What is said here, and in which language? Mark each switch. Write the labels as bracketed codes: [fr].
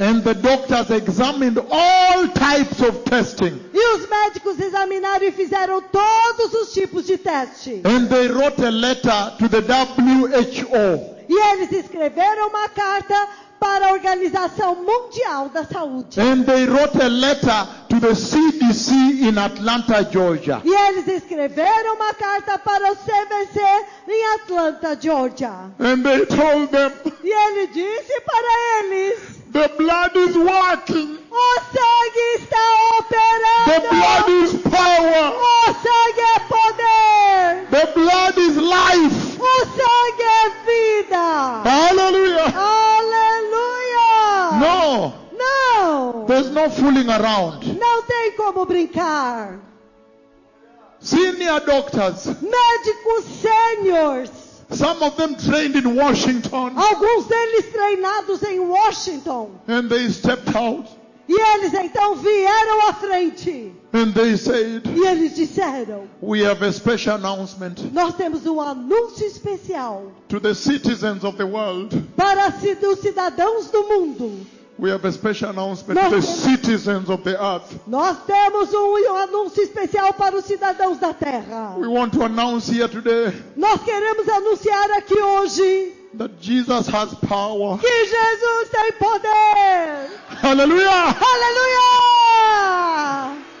[en] And the doctors examined all types of testing. [pt] E os médicos examinaram e fizeram todos os tipos de teste. [en] And they wrote a letter to the WHO. [pt] E eles escreveram uma carta para a Organização Mundial da Saúde. [en] And they wrote a letter to the CDC in Atlanta, Georgia. [pt] E eles escreveram uma carta para o CDC em Atlanta, Georgia. [en] And they told them. [pt] E ele disse para eles. [en] The blood is working. [pt] O sangue está operando. [en] The blood is power. [pt] O sangue é poder. [en] The blood is life. [pt] O sangue é vida. [en] Hallelujah. [pt] Hallelujah. [en] No. [pt] No. [en] There's no fooling around. [pt] Não tem como brincar. [en] Senior doctors. [pt] Médicos seniors. [en] Some of them trained in Washington. [pt] Alguns deles treinados em Washington. [en] And they stepped out. [pt] E eles então vieram à frente. [en] And they said. [pt] E eles disseram. [en] We have a special announcement. [pt] Nós temos um anúncio especial. [en] To the citizens of the world. [pt] Para os cidadãos do mundo. [en] We have a special announcement to the citizens of the earth. [pt] Nós temos um anúncio especial para os cidadãos da terra. [en] We want to announce here today. [pt] Nós queremos anunciar aqui hoje. [en] That Jesus has power. [pt] Que Jesus tem poder. [en] Hallelujah. [pt] Hallelujah.